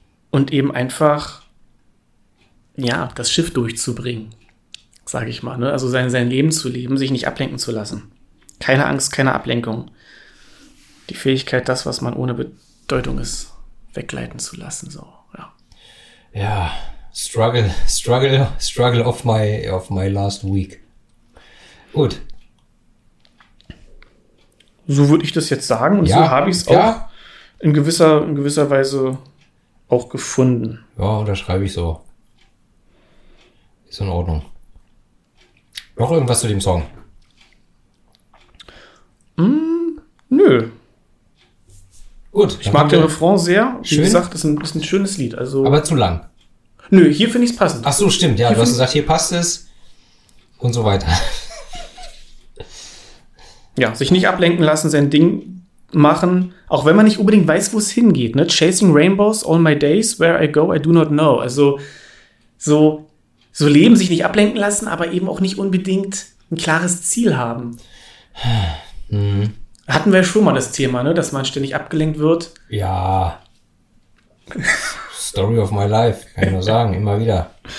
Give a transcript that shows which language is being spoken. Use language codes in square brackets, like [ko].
[de] Und eben einfach, ja, das Schiff durchzubringen, sage ich mal. Ne? Also sein Leben zu leben, sich nicht ablenken zu lassen. Keine Angst, keine Ablenkung. Die Fähigkeit, das, was man ohne Bedeutung ist, wegleiten zu lassen. So, ja. Ja, [en] struggle of my last week. [de] Gut. So würde ich das jetzt sagen und ja, so habe ich es auch. Ja. In gewisser Weise auch gefunden. Ja, unterschreibe ich so. Ist in Ordnung. Noch irgendwas zu dem Song? Nö. Gut. Ich mag den Refrain sehr. Schön. Wie gesagt, ist ein schönes Lied. Also, aber zu lang. Nö, hier finde ich es passend. Ach so, stimmt. Ja, du hast gesagt, hier passt es. Und so weiter. Ja, sich nicht ablenken lassen, sein Ding machen, auch wenn man nicht unbedingt weiß, wo es hingeht. Ne? [en] Chasing rainbows all my days, where I go, I do not know. [de] Also so leben, sich nicht ablenken lassen, aber eben auch nicht unbedingt ein klares Ziel haben. Hm. Hatten wir ja schon mal das Thema, ne? Dass man ständig abgelenkt wird. Ja. [en] Story of my life, [de] kann ich nur sagen, immer wieder.